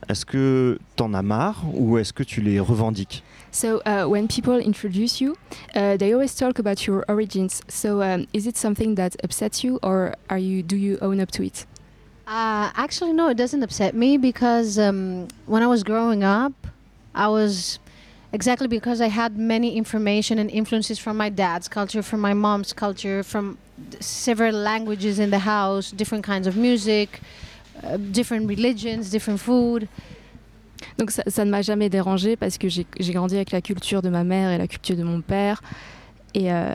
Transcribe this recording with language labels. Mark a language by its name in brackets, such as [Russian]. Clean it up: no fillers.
[French] Est-ce que t'en as marre ou est-ce que tu les revendiques? [English] So, when people introduce you, they always talk about your origins. So, is it something that upsets you or do you own up to it? Actually, no, it doesn't upset me because when I was growing up, I was... Exactly, because I had many information and influences from my dad's culture, from my mom's culture, from several languages in the house, different kinds of music, different religions, different food. [French] Donc ça ne m'a jamais dérangé parce que j'ai grandi avec la culture de ma mère et la culture de mon père. Et